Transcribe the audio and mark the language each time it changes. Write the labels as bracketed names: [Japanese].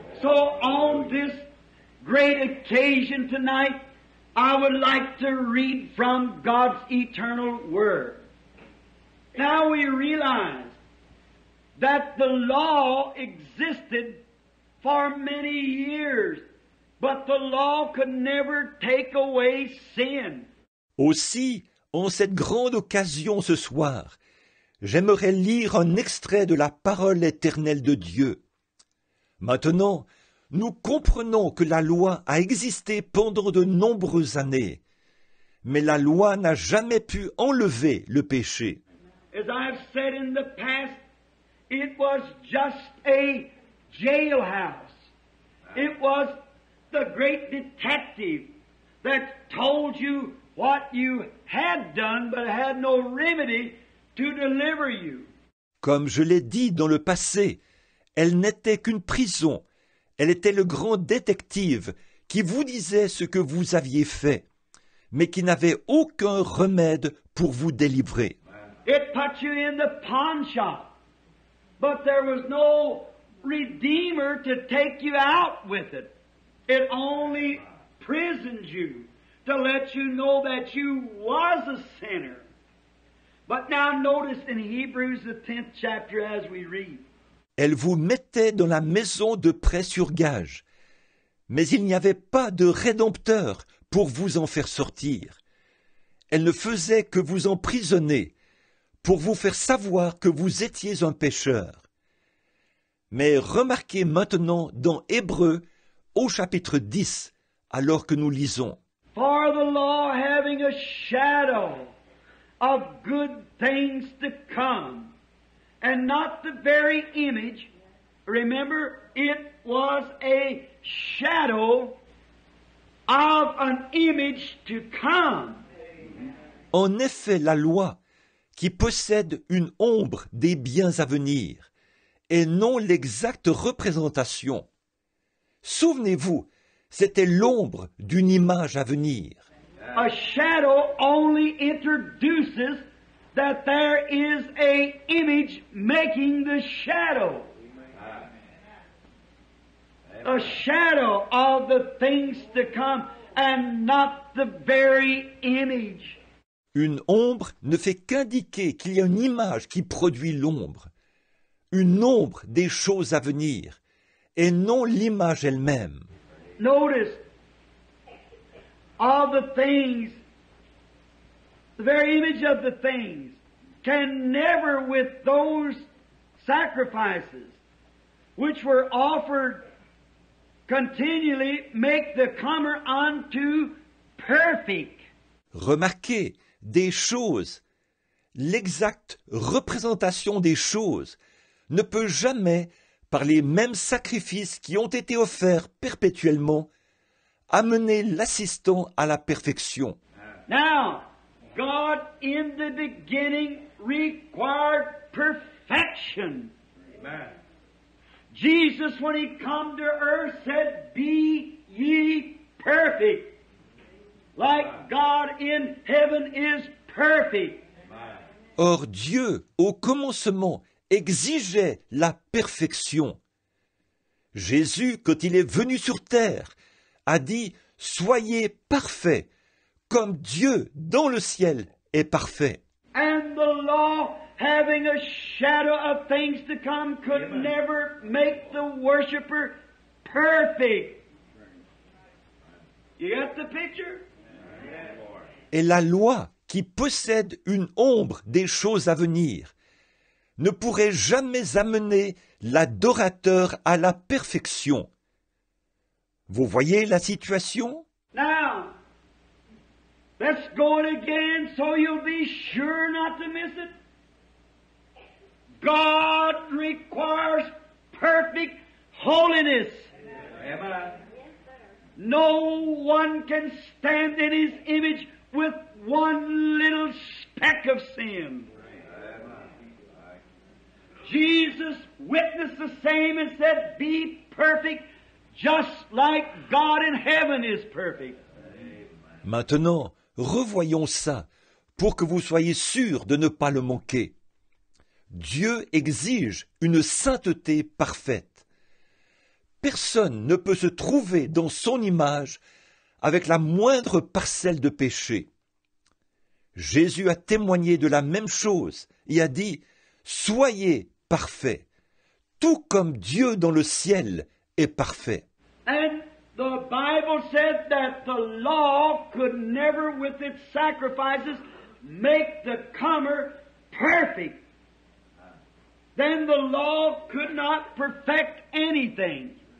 [English] So on this great occasion tonight, I would like to read from God's eternal word. Now we realize that the law existed for many years, but the law could never take away sin. [French] Aussi, en cette grande occasion ce soir, j'aimerais lire un extrait de la parole éternelle de Dieu. Maintenant, nous comprenons que la loi a existé pendant de nombreuses années, mais la loi n'a jamais pu enlever le péché. [English] as I've said in the past, it was just a jailhouse. It was the great detective that told you what you had done but had no remedy to deliver you. [French] Comme je l'ai dit dans le passé, elle n'était qu'une prison. Elle était le grand détective qui vous disait ce que vous aviez fait, mais qui n'avait aucun remède pour vous délivrer. [English] It put you in the pawn shop, but there was no redeemer to take you out with it. It only prisoned you to let you know that you was a sinner. But now notice in Hebrews the 10th chapter as we read. [French] Elle vous mettait dans la maison de prêt sur gage, mais il n'y avait pas de rédempteur pour vous en faire sortir. Elle ne faisait que vous emprisonner pour vous faire savoir que vous étiez un pécheur. Mais remarquez maintenant dans Hébreux au chapitre 10, alors que nous lisons. [English] For the law having a shadow of good things to come, and not the very image. Remember, it was a shadow of an image to come. [French] En effet, la loi, qui possède une ombre des biens à venir, et non l'exacte représentation. Souvenez-vous, c'était l'ombre d'une image à venir. [English] A shadow only introduces that there is a image making the shadow. Amen. A shadow of the things to come and not the very image. [French] Une ombre ne fait qu'indiquer qu'il y a une image qui produit l'ombre. Une ombre des choses à venir et non l'image elle-même. [English] Notice. All the things, the very image of the things, can never with those sacrifices which were offered continually make the comer unto perfect. [French] Remarquez, des choses, l'exacte représentation des choses ne peut jamais, par les mêmes sacrifices qui ont été offerts perpétuellement, amener l'assistant à la perfection. [English] Now, God in the beginning required perfection. Amen. Jesus, when he came to earth, said, be ye perfect, like God in heaven is perfect. [French] Or, Dieu, au commencement, exigeait la perfection. Jésus, quand il est venu sur terre, a dit, soyez parfaits, comme Dieu dans le ciel est parfait. [English] And the law, having a shadow of things to come, could Amen. Never make the worshiper perfect. You get the picture? [French] Et la loi, qui possède une ombre des choses à venir, ne pourrait jamais amener l'adorateur à la perfection. Vous voyez la situation? [English] Now, let's go it again so you'll be sure not to miss it. God requires perfect holiness. Amen. No one can stand in his image with one little speck of sin. Jesus witnessed the same and said, be perfect. Just like God in heaven is perfect. [French] Maintenant, revoyons ça pour que vous soyez sûrs de ne pas le manquer. Dieu exige une sainteté parfaite. Personne ne peut se trouver dans son image avec la moindre parcelle de péché. Jésus a témoigné de la même chose et a dit « Soyez parfaits, tout comme Dieu dans le ciel est parfait. » [English] And the Bible said that the law could never with its sacrifices make the comer perfect. Then the law could not perfect anything.